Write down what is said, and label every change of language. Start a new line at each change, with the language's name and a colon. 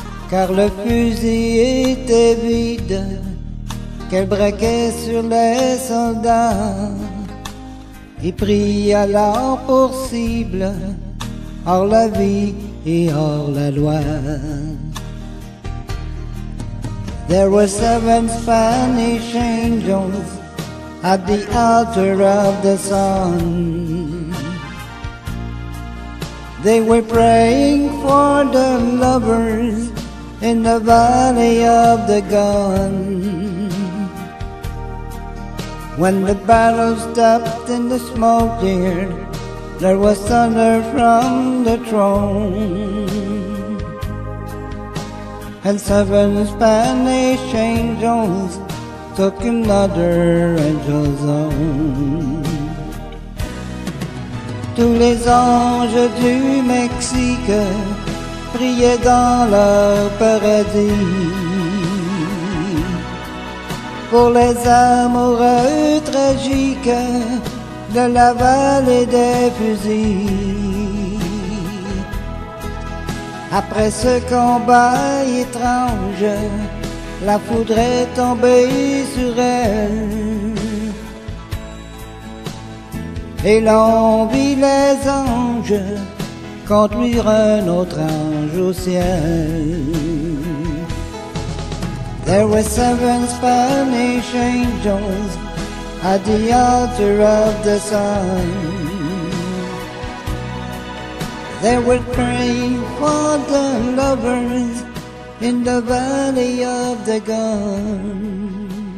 French: Car le fusil était vide qu'elle braquait sur les soldats, et prit alors pour cible hors la vie et hors la loi.
English: There were 7 Spanish angels at the altar of the sun. They were praying for the lovers in the valley of the gun. When the battle stopped and the smoke cleared, there was thunder from the throne, and 7 Spanish angels took another angel's own.
French: Tous les anges du Mexique priaient dans leur paradis pour les amoureux tragiques de la vallée des fusils. Après ce combat étrange, la foudre est tombée sur elle, et l'on vit les anges conduire un autre ange au ciel.
English: There were 7 Spanish angels at the altar of the sun. They were praying for the lovers in the valley of the gun.